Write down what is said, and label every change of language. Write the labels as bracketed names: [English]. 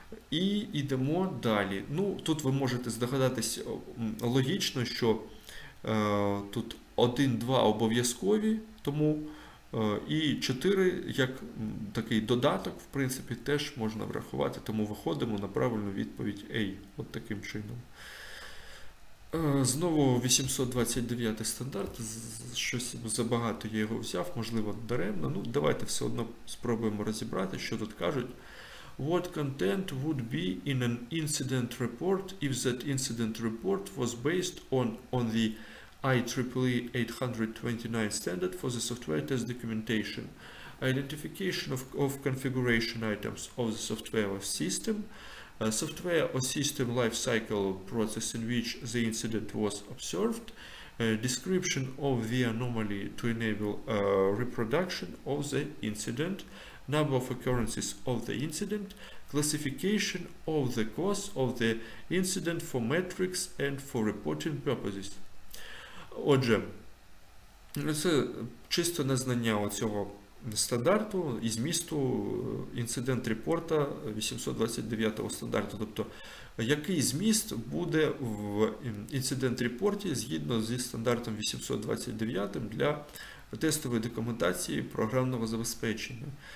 [Ukrainian] І йдемо далі. Ну, тут ви можете здогадатись логічно, що тут 1, 2 обов'язкові, тому і 4 як такий додаток, в принципі, теж можна врахувати. Тому виходимо на правильну відповідь A. От таким чином. Знову 829 стандарт. Щось забагато я його взяв, можливо, даремно. Ну, давайте все одно спробуємо розібрати, що тут кажуть. [English] What content would be in an incident report if that incident report was based on the IEEE 829 standard for the software test documentation? Identification of configuration items of the software or system, software or system lifecycle process in which the incident was observed, description of the anomaly to enable reproduction of the incident, number of occurrences of the incident, classification of the cause of the incident for metrics and for reporting purposes. [Ukrainian] Отже, це чисто незнання оцього стандарту і змісту інцидент репорта 829 стандарту. Тобто, який зміст буде в інцидент репорті згідно зі стандартом 829 для тестової документації програмного забезпечення.